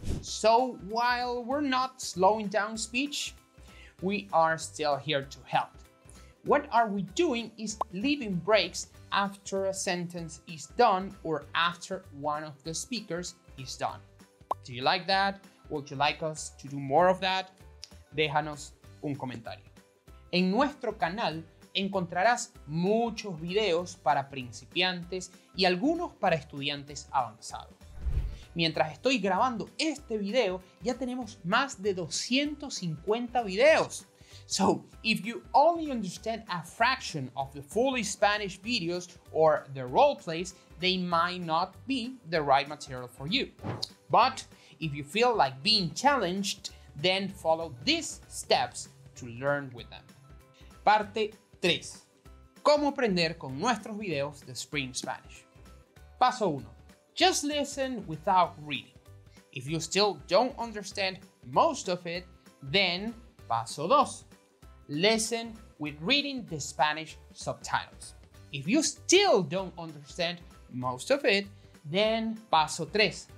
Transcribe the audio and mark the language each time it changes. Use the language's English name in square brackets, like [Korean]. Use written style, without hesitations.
[English] So while we're not slowing down speech, we are still here to help. What are we doing is leaving breaks after a sentence is done or after one of the speakers is done. Do you like that? Would you like us to do more of that? [Spanish] Déjanos un comentario. En nuestro canal encontrarás muchos videos para principiantes y algunos para estudiantes avanzados. Mientras estoy grabando este video, ya tenemos más de 250 videos. [English] So, if you only understand a fraction of the fully Spanish videos or the role plays, they might not be the right material for you. But if you feel like being challenged, then follow these steps to learn with them. [Spanish] Parte 3. ¿Cómo aprender con nuestros videos de Spring Spanish? Paso 1. [English] Just listen without reading. If you still don't understand most of it, then [Spanish] paso 2. [English] Listen with reading the Spanish subtitles. If you still don't understand most of it, then [Spanish] paso 3.